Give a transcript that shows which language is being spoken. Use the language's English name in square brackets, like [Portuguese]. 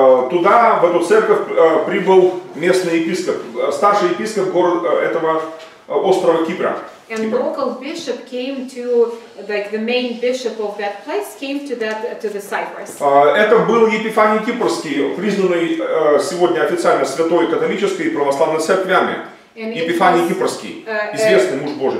[Russian] Туда, в эту церковь, прибыл местный епископ, старший епископ этого острова Кипра. [English] And [Russian] Кипра. [English] Local bishop came to, like the main bishop of that place, came to that to the Cyprus. [Russian] Это был Епифаний Кипрский, признанный сегодня официально святой католической и православной церквями. Епифаний Кипрский, известный муж Божий.